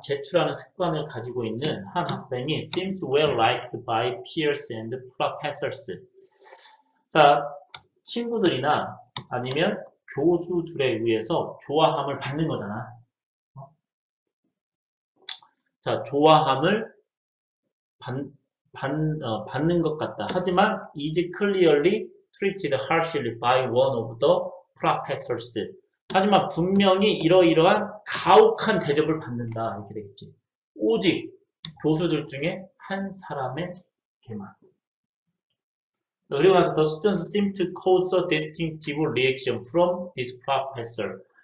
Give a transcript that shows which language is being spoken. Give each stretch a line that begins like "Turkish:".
Korean: 제출하는 습관을 가지고 있는 한 학생이
English: seems well liked by peers and professors.
Korean: 자, 친구들이나 아니면 교수들에 의해서 좋아함을 받는 거잖아. 자, 좋아함을 받는 것 같다. 하지만
English: is clearly treated harshly by one of the professors.
Korean: 하지만 분명히 이러이러한 가혹한 대접을 받는다. 이렇게 되겠지. 오직 교수들 중에 한 사람의 개만. 그리고 나서
English: the students seem to cause a distinctive reaction from this professor.